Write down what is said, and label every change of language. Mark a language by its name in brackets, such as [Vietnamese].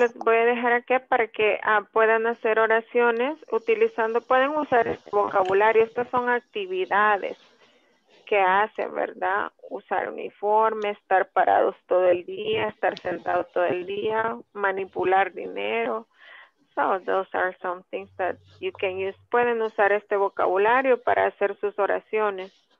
[Spanish] Les voy a dejar aquí para que puedan hacer oraciones utilizando, pueden usar este vocabulario. Estas son actividades que hacen, ¿verdad? Usar uniforme, estar parados todo el día, estar sentado todo el día, manipular dinero. [English] So those are some things that you can use. [Spanish] Pueden usar este vocabulario para hacer sus oraciones.